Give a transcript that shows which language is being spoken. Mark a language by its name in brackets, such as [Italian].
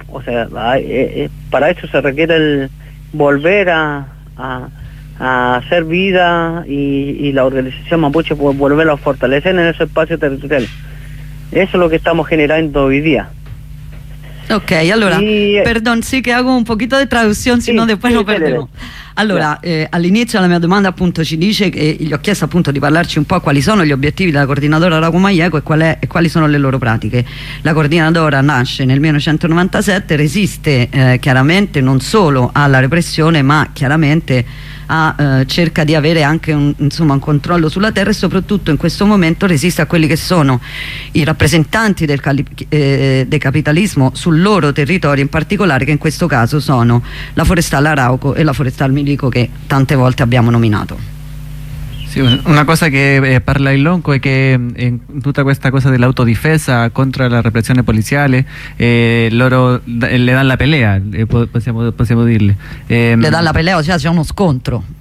[Spanish] O sea, para eso se requiere el volver a hacer vida, y la organización mapuche volver a fortalecer en esos espacios territoriales. Eso es lo que estamos generando hoy día. [Italian] Ok, allora, perdon, sì, che [Spanish] hago un pochito [Italian] di traduzione, sì, sennò poi lo perdo. Allora, all'inizio la mia domanda appunto ci dice che gli ho chiesto appunto di parlarci un po' quali sono gli obiettivi della coordinadora Lago Maieco e quali sono le loro pratiche. La coordinadora nasce nel 1997, resiste chiaramente non solo alla repressione, ma chiaramente cerca di avere anche un controllo sulla terra, e soprattutto in questo momento resiste a quelli che sono i rappresentanti del capitalismo sul loro territorio, in particolare, che in questo caso sono la forestale Arauco e la forestale Milico, che tante volte abbiamo nominato. [Spanish] Sí, una cosa que parla el Lonco es que en toda esta cosa de la autodefensa contra las represiones policiales, loro le dan la pelea, podemos decirle. Le dan la pelea, o sea, [Italian] c'è uno scontro.